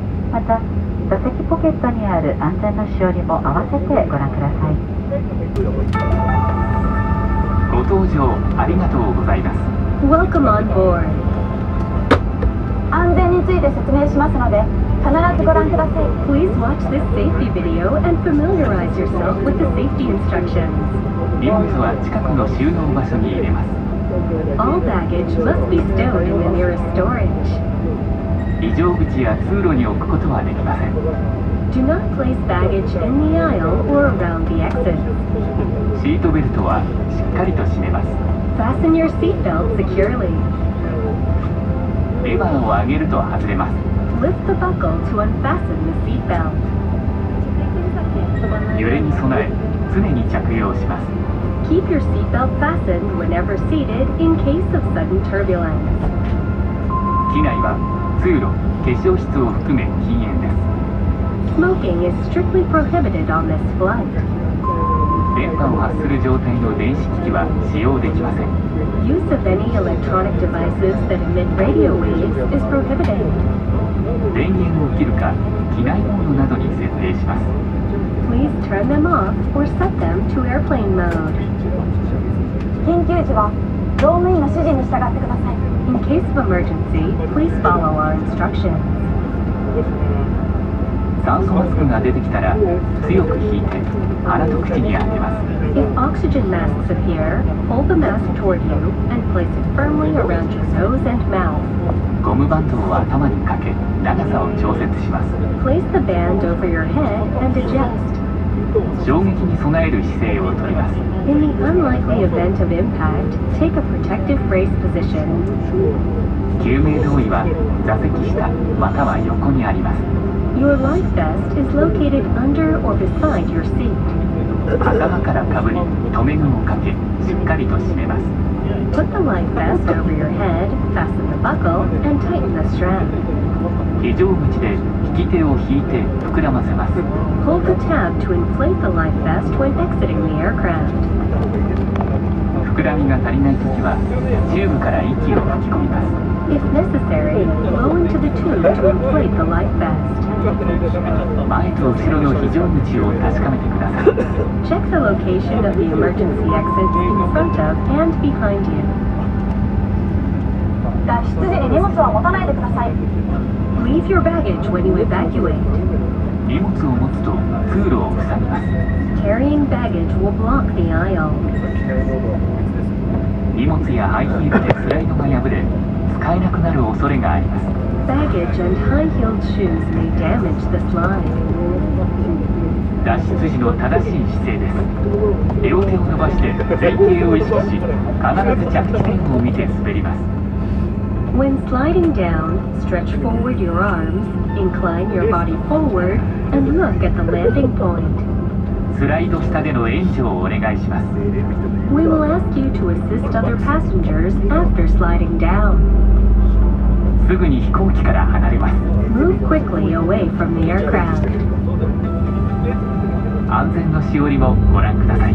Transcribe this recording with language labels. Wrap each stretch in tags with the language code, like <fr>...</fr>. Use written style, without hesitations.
<ja>また座席ポケットにある安全のしおりも合わせてご覧ください。ご搭乗ありがとうございます。</ja> <en>Welcome on board.</en> <ja>安全について説明しますので必ずご覧ください。</ja> <en>Please watch this safety video and familiarize yourself with the safety instructions.</en> <ja>荷物は近くの収納場所に入れます。</ja> <en>All baggage must be stowed in the nearest storage.</en> <ja>非常口や通路に置くことはできません。</ja> <en>Do not place baggage in the aisle or around the exit.</en> <ja>シートベルトはしっかりと締めます。</ja> <en>Fasten your seatbelt securely.</en> <ja>レバーを上げると外れます。</ja> <en>Lift the buckle to unfasten the seatbelt.</en> <ja>揺れに備え、常に着用します。</ja> <en>Keep your seatbelt fastened whenever seated in case of sudden turbulence.</en> <ja>機内は通路、化粧室を含め禁煙です。</ja> <en>Smoking is strictly prohibited on this flight.</en> <ja>電波を発する状態の電子機器は使用できません。</ja> <en>Use of any electronic devices that emit radio waves is prohibited.</en> <ja>電源を切るか、機内モードなどに設定します。</ja> <en>Please turn them off or set them to airplane mode.</en> <ja>緊急時は、乗務員の指示に従ってください。</ja> <en>In case of emergency, please follow our instructions.</en> <ja>酸素マスクが出てきたら強く引いて鼻と口に当てます。</ja> <en>If oxygen masks appear, hold the mask toward you and place it firmly around your nose and mouth.</en> <ja>ゴムバンドを頭にかけ長さを調節します。</ja> <en>Place the band over your head and adjust.</en> <ja>衝撃に備える姿勢をとります。</ja> <en>In the unlikely event of impact, take a protective brace position.</en> <ja>救命胴衣は座席下または横にあります。</ja> <en>Your life vest is located under or beside your seat.</en> <ja>頭からかぶり、留め具をかけ、しっかりと締めます。</ja> <en>Put the life vest over your head, fasten the buckle, and tighten the strap.</en> <ja>非常口で引き手を引いて膨らませます。</ja> <en>Hold the tab to inflate the life vest when exiting the aircraft.</en> <ja>膨らみが足りないときは、チューブから息を吹き込みます。</ja> <en>If necessary, blow into the tube to inflate the life vest.</en> <ja>前と後ろの非常口を確かめてください。</ja> <en>Check the location of the emergency exits in front of and behind you.</en> <ja>脱出時に荷物は持たないでください。</ja> <en>Leave your baggage when you evacuate.</en> <ja>荷物を持つと通路を塞ぎます。</ja> <en>Carrying baggage will block the aisle.</en> <ja>荷物やハイヒールでスライドが破れ、使えなくなる恐れがあります。</ja> <en>Baggage and high-heeled shoes may damage the slide.</en> <ja>脱出時の正しい姿勢です。両手を伸ばして前傾を意識し、必ず着地点を見て滑ります。</ja> <en>When sliding down, stretch forward your arms, incline your body forward, and look at the landing point.</en> <ja>スライド下での援助をお願いします。</ja> <en>We will ask you to assist other passengers after sliding down.</en> <ja>すぐに飛行機から離れます。</ja> <en>Move quickly away from the aircraft.</en> <ja>安全のしおりもご覧ください。</ja>